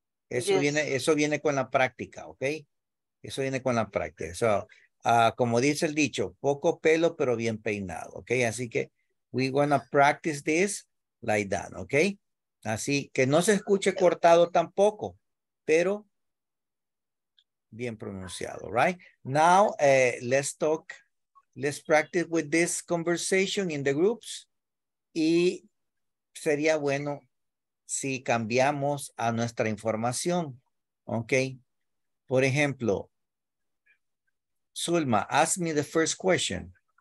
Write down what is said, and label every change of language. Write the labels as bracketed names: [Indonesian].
[Spanish] Eso, yes, viene con la práctica, ¿ok? Eso viene con la práctica. So, Como dice el dicho, poco pelo, pero bien peinado, ¿ok? Así que [English] we gonna practice this like that, [Spanish] ¿ok? Así que no se escuche cortado tampoco, pero bien pronunciado, right? [English] Now, let's talk, let's practice with this conversation in the groups. [Spanish] Y sería bueno si cambiamos a nuestra información, ¿ok? Por ejemplo, Zulma, [English] ask me the first question.